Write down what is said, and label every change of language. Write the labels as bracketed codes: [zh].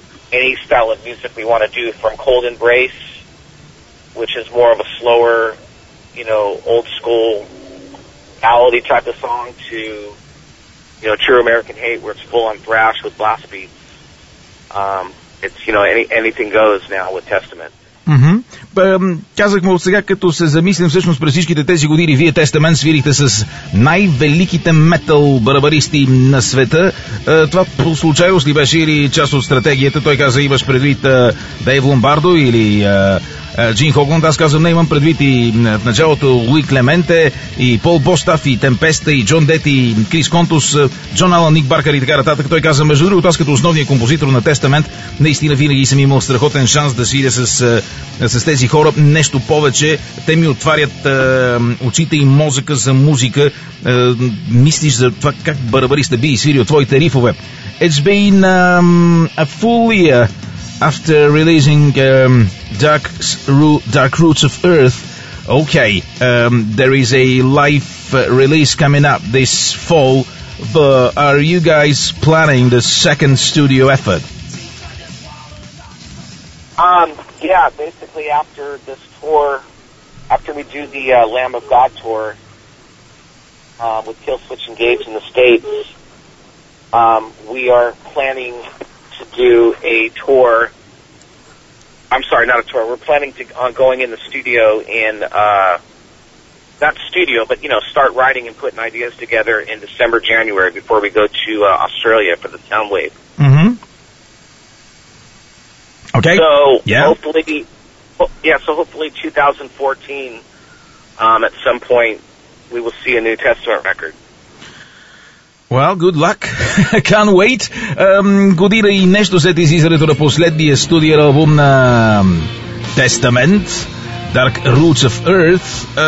[en] Any style of music we want to do, from Cold Embrace, which is more of a slower, old school ality type of song, to True American Hate, where it's full on thrash with blast beats. It's anything goes now with Testament. Mm-hmm. [bg] Казах му от сега, като се замислим всъщност през всичките тези години, вие Testament свирихте с най-великите метал барабаристи на света. Това по случайност ли беше или част от стратегията? Той каза, имаш предвид Дейв Ломбардо или Джин Хогланд. Аз казвам, не, имам предвид и в началото Луи Клементе и Пол Бостаф и Темпеста и Джон Дети, и Крис Контус, Джон Алън, Ник Баркър и така нататък. Той каза, между другото, аз като основния композитор на Testament наистина винаги съм имал страхотен шанс да свиря с тези хора нещо повече. Те ми отварят очите и мозъка за музика. Мислиш за това как барабариста би свирил твоите рифове. [en] It's been a full year after releasing Dark Roots of Earth. Okay, there is a live release coming up this fall, but are you guys planning the second studio effort? Yeah, basically after this tour, after we do the Lamb of God tour with Killswitch Engage in the States, we are planning to do a tour. I'm sorry, not a tour. We're planning to on going in the studio in not studio, but start writing and putting ideas together in December, January before we go to Australia for the Sound Wave. Mm-hmm. Okay. So yeah. So hopefully 2014, at some point we will see a New Testament record. Well, good luck. Can't wait. [bg] Година и нещо след излизането на последния студио албум на Testament, Dark Roots of Earth.